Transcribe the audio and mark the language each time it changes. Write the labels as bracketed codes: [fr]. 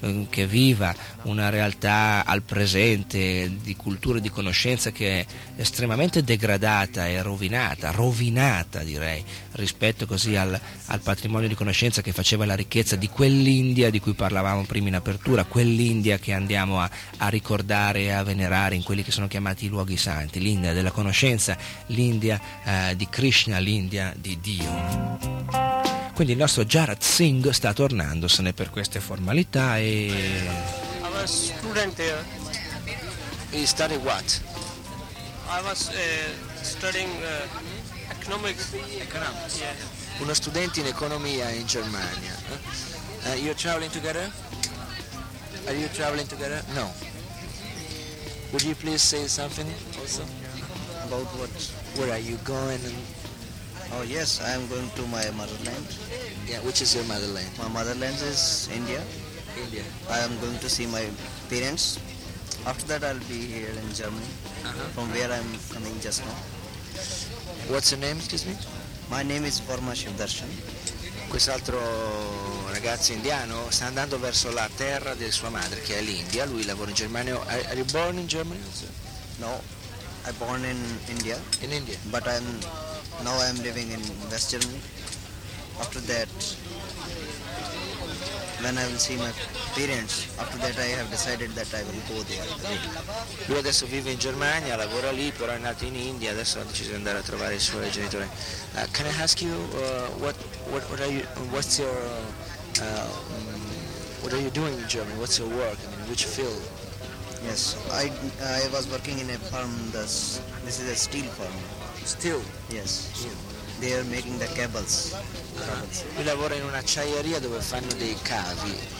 [it] che viva una realtà al presente di cultura e di conoscenza che è estremamente degradata e rovinata direi, rispetto così al patrimonio di conoscenza che faceva la ricchezza di quell'India di cui parlavamo prima in apertura, quell'India che andiamo a ricordare e a venerare in quelli che sono chiamati i luoghi santi, l'India della conoscenza, l'India di Krishna, l'India di Dio. Quindi il nostro Jagtar Singh sta tornandosene per queste formalità e... [en] I'm a student here. He studied what? I was studying economics. Economics. Yeah. [it] Uno studente in economia in Germania. [en] You're traveling together? Are you traveling together? No. Would you please say something also? About what? Where are you going? Oh yes, I am going to my motherland. Yeah, which is your motherland? My motherland is India. India. I am going to see my parents. After that I'll be here in Germany. Uh-huh. From where I'm coming just now. What's your name, excuse me? My name is Varma Shivdarshan. [it] Quest'altro ragazzo indiano sta andando verso la terra di sua madre, che è l'India. Lui lavora in Germania. [en] Are you born in Germany? No, I'm born in India. In India. But I'm living in West Germany. After that, when I will see my parents, after that I have decided that I will go there. [it] Lui adesso vive in Germania, lavora lì, però è nato in India, adesso ha deciso di andare a trovare i suoi genitori. [en] Can I ask you what are you doing in Germany? What's your work? I mean, which field? Yes, I was working in a farm. This is a steel farm. Steel? Yes. Steel. They are making the cables. [it] Lui lavora in un'acciaieria dove fanno dei cavi.